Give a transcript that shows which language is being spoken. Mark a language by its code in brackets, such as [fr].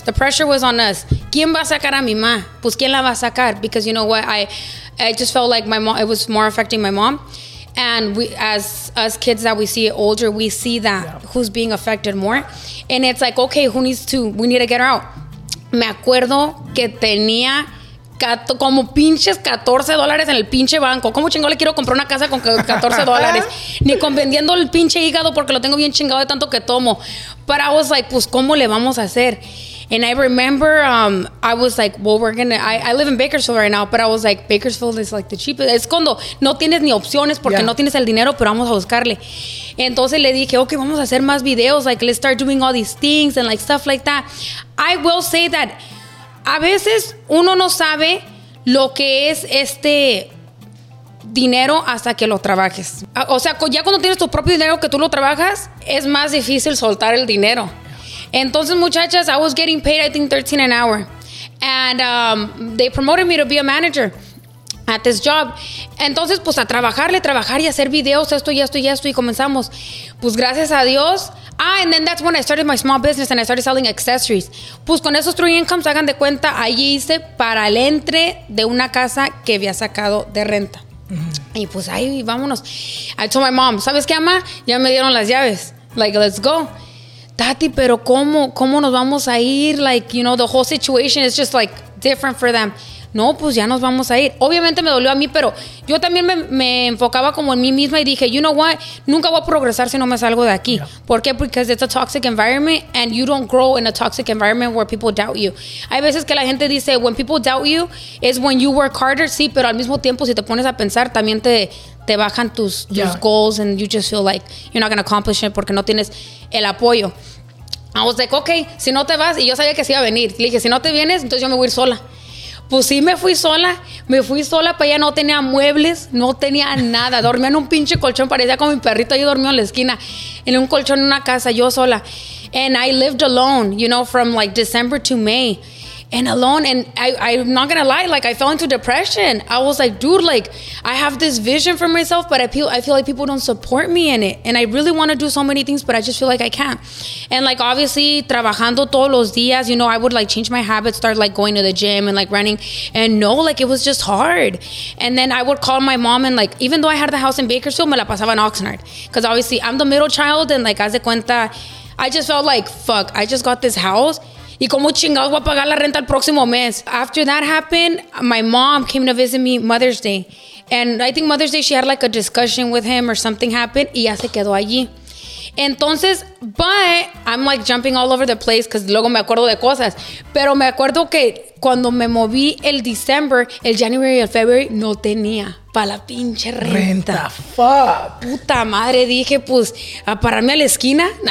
[en] The pressure was on us. [es] ¿Quién va a sacar a mi ma? Pues, ¿quién la va a sacar? [en] Because you know what? I just felt like my mom, it was more affecting my mom. And we, as us kids that we see it older, we see that who's being affected more. And it's like, okay, who needs to, we need to get her out. [es] Me acuerdo que tenía como pinches $14 en el pinche banco. ¿Cómo chingo le quiero comprar una casa con $14? Ni con vendiendo el pinche hígado porque lo tengo bien chingado de tanto que tomo. [en] But I was like, [es] pues, ¿cómo le vamos a hacer? [en] And I remember I was like, well, we're going to, I live in Bakersfield right now, but I was like, Bakersfield is like the cheapest. [es] Es cuando no tienes ni opciones porque no tienes el dinero, pero vamos a buscarle. Entonces le dije, okay, vamos a hacer más videos. [en] Like, let's start doing all these things and like stuff like that. I will say that [es] a veces uno no sabe lo que es este dinero hasta que lo trabajes. O sea, ya cuando tienes tu propio dinero que tú lo trabajas, es más difícil soltar el dinero. Entonces, muchachas, [en] I was getting paid, I think, $13 an hour. And they promoted me to be a manager at this job. [es] Entonces, pues, a trabajarle, trabajar y hacer videos, esto y esto y esto, y comenzamos. Pues, gracias a Dios. [en] Ah, and then that's when I started my small business and I started selling accessories. [es] Pues, con esos three incomes, hagan de cuenta, allí hice para el entre de una casa que había sacado de renta. Y pues ahí vámonos. [en] I told my mom, [es] ¿sabes qué, mamá? Ya me dieron las llaves. [en] Like, let's go. [es] Tati, pero ¿cómo nos vamos a ir? [en] Like, you know, the whole situation is just like different for them. [es] No, pues ya nos vamos a ir. Obviamente me dolió a mí, pero yo también me enfocaba como en mí misma y dije, [en] you know what? [es] Nunca voy a progresar si no me salgo de aquí. Yeah. ¿Por qué? [en] Because it's a toxic environment and you don't grow in a toxic environment where people doubt you. [es] Hay veces que la gente dice, [en] when people doubt you, is when you work harder. [es] Sí, pero al mismo tiempo, si te pones a pensar, también te bajan tus [en] goals and you just feel like you're not going to accomplish it [es] porque no tienes el apoyo. [en] I was like, okay, [es] si no te vas, y yo sabía que se iba a venir. Le dije, si no te vienes, entonces yo me voy a ir sola. Pues sí, me fui sola para allá, no tenía muebles, no tenía nada, dormía en un pinche colchón, parecía como mi perrito ahí dormido en la esquina, en un colchón en una casa, yo sola. [en] And I lived alone, you know, from like December to May, and alone, and I'm not gonna lie, like I fell into depression. I was like, dude, like I have this vision for myself, but I feel like people don't support me in it, and I really want to do so many things, but I just feel like I can't. And like obviously [es] trabajando todos los días, [en] you know, I would like change my habits, start like going to the gym and like running, and no, like it was just hard. And then I would call my mom, and like even though I had the house in Bakersfield, [es] me la pasaba en Oxnard, [en] because obviously I'm the middle child, and like [es] haz de cuenta, [en] I just felt like, fuck, I just got this house. [es] ¿Y cómo chingados voy a pagar la renta el próximo mes? [en] After that happened, my mom came to visit me Mother's Day. And I think Mother's Day she had like a discussion with him or something happened. [es] Y ya se quedó allí. [en] Entonces, but I'm like jumping all over the place because [es] luego me acuerdo de cosas. Pero me acuerdo que cuando me moví el December, el January y el February, no tenía para la pinche renta. Renta, fuck. Puta madre, dije, pues, a pararme a la esquina.